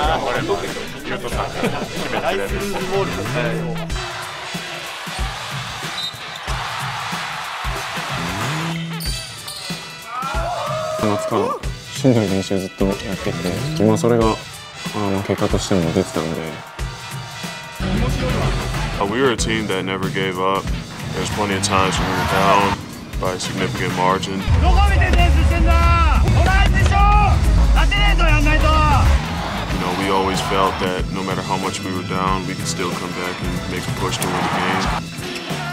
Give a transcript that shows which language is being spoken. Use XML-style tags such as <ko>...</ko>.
<ja>頑張れと、優斗さんが決めてくれる。夏からしんどい練習をずっとやってて、今それが結果としても出てたので、</ja> <en>We were a team that never gave up. There's plenty of times when we were down by a significant margin.</en> <ja>どこ見て練習してんだ、トライでしょ、立てねえとやんないと。</ja> <en>You know, we always felt that no matter how much we were down, we could still come back and make a push to win the game.</en>